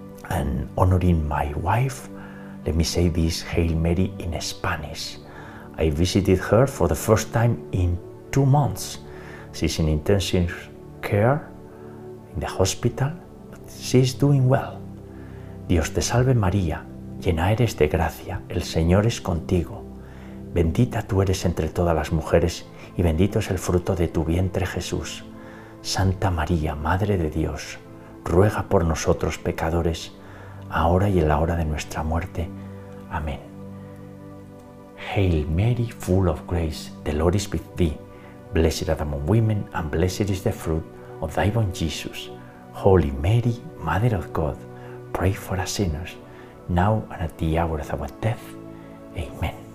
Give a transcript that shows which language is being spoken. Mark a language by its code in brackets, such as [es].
[en] And honoring my wife, let me say this Hail Mary in Spanish. I visited her for the first time in 2 months. She's in intensive care in the hospital, but she's doing well. [es] Dios te salve María, llena eres de gracia, el Señor es contigo. Bendita tú eres entre todas las mujeres y bendito es el fruto de tu vientre Jesús. Santa María, Madre de Dios, ruega por nosotros pecadores, ahora y en la hora de nuestra muerte. Amén. [en] Hail Mary, full of grace, the Lord is with thee. Blessed are thou among women, and blessed is the fruit of thy womb, Jesus. Holy Mary, Mother of God, pray for us sinners, now and at the hour of our death. Amen.